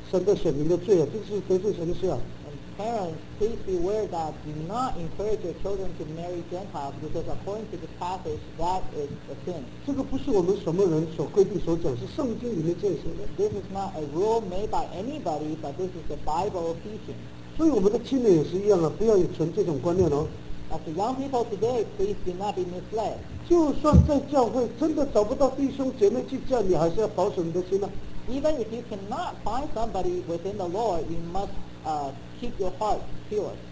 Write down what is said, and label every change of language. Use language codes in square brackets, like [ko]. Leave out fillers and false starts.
[zh] 家长也要注意，不要鼓励孩子啊，这个跟外这个跟神选民以外的人啊，嫁娶啊，这个是罪哦，这里有写哦，增添了以色列，增添你家的罪，增添这个神的选民的罪啊，这是得罪神的事啊。 [en] And parents, please be aware that do not encourage your children to marry Gentiles because according to the passage, that is a sin. [zh] 这个不是我们什么人所规定所讲，是圣经里面这样说的。 [en] This is not a rule made by anybody, but this is the Bible teaching. [zh] 所以我们的青年也是一样啊，不要有存这种观念哦。 [en] As the young people today, please do not be misled. [zh] 就算在教会真的找不到弟兄姐妹去嫁，你还是要保守你的心啊。 [en] Even if you cannot find somebody within the Lord, you must keep your heart pure.